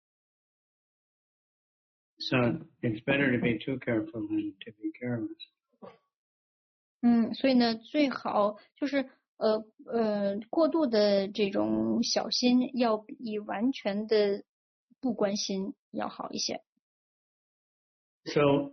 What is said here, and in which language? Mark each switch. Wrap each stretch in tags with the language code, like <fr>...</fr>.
<zh>那么这个飓风呢，并不是说是每次一报告就说要来，它就一定会来。但是呢，就即便是不来，每次只要大家收到的这个天气预报的这个消息，都一定是会做事先的这个准备工作的，因为不知道它什么时候会来。So</zh> <en>it's better to be too careful than to be careless.</en> <zh>所以呢，最好就是。过度的这种小心要比完全的不关心要好一些。So</zh>